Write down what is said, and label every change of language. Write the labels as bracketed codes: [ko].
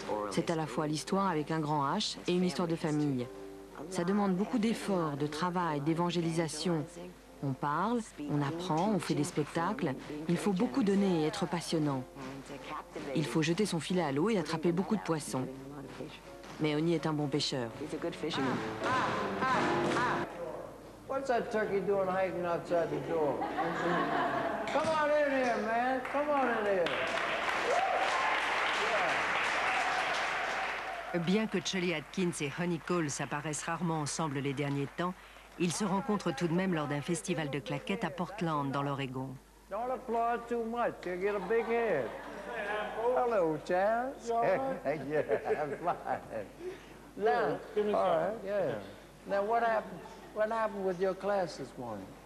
[fr] C'est à la fois l'histoire avec un grand H et une histoire de famille. Ça demande beaucoup d'efforts, de travail, d'évangélisation. On parle, on apprend, on fait des spectacles. Il faut beaucoup donner et être passionnant. Il faut jeter son filet à l'eau et attraper beaucoup de poissons. Mais Honey est un bon pêcheur. [en] What's that turkey doing hiking outside the door? Come on in here, man. Come on in here. [fr] Bien que Cholly Atkins et Honey Coles apparaissent rarement ensemble les derniers temps, ils se rencontrent tout de même lors d'un festival de claquettes à Portland, dans l'Oregon. [en] Don't applaud too much, you'll get a big head. Hello, Charles. Yeah, I'm fine. Now, all right, yeah. Now, what happened with your class this morning?